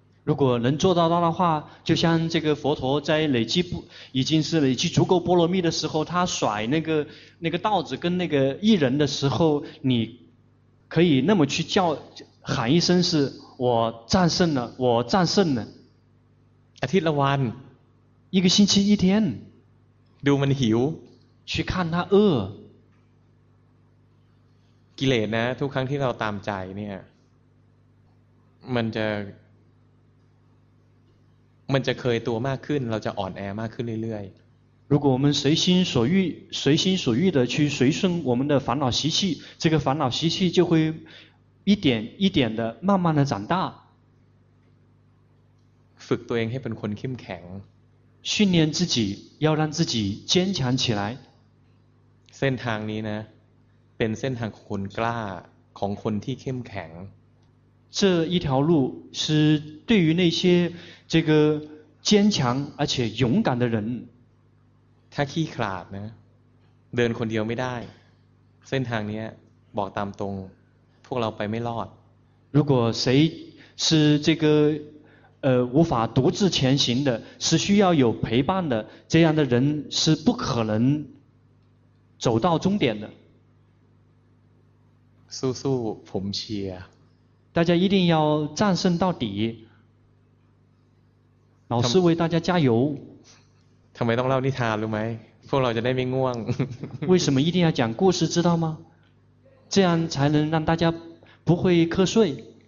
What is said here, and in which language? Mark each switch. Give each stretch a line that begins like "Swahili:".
Chinese: 如果能做到的话就像这个佛陀在累积已经是累积足够波罗蜜的时候他甩那个道子跟那个艺人的时候你可以那么去叫喊一声是我战胜了我战胜了
Thai: อาทิตย์ละวัน
Chinese: 一个星期一天
Thai: ดูมันหิว
Chinese: 去看他饿
Thai: กิเลสนะทุกครั้งที่เราตามใจเนี่ยมันจะเคยตัวมากขึ้นเราจะอ่อนแอมากขึ้นเรื่อย
Chinese: ๆ如果我们随心所欲的去随顺我们的烦恼习气这个烦恼习气就会一点一点的慢慢的长大
Thai: ฝึกตัวเองให้เป็นคนเข้มแข็ง
Chinese: 训练自己要让自己坚强起来
Thai: เส้นทางนี้นะเป็นเส้นทางของคนกล้าของคนที่เข้มแข็ง
Chinese: 这一条路是对于那些这个坚强而且勇敢的人
Thai: ถ้าขี้ขลาดนะเดินคนเดียวไม่ได้เส้นทางนี้บอกตามตรงพวกเราไปไม่รอด
Chinese: 如果谁是这个无法独自前行的是需要有陪伴的这样的人是不可能走到终点的
Thai: สู้ๆผมเชียร์
Chinese: 大家一定要战胜到底老师为大家加油
Thai: ทำไมต้องเล่านิทานรู้ไหมพวกเราจะได้ไม่ง่วง
Chinese: 为什么一定要讲故事知道吗这样才能让大家不会瞌睡